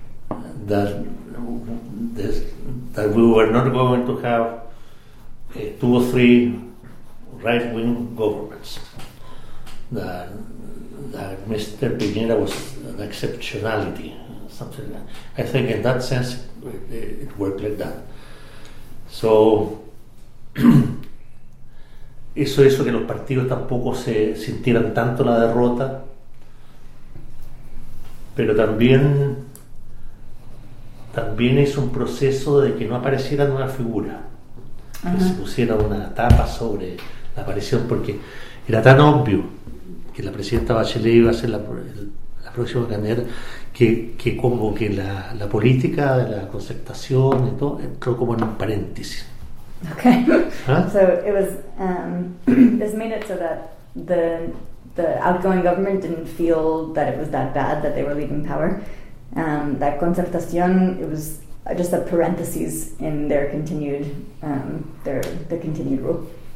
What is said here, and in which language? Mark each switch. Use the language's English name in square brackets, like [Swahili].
[English] That we were not going to have a two or three right-wing governments. That Mr. Piñera was an exceptionality, something like that. I think in that sense, it worked like that. [Spanish] So, eso hizo que los partidos tampoco se sintieran tanto la derrota, pero también hizo un proceso de que no apareciera una figura, uh-huh. que se pusiera una tapa sobre la aparición, porque era tan obvio que la presidenta Bachelet iba a ser la próxima candidata. Que como que la política de la concertación y todo entró como en un paréntesis. Okay. ¿Ah? [English] So it was this made it so that the outgoing government didn't feel that it was that bad that they were leaving power. That concertación, it was just a parenthesis in their continued rule.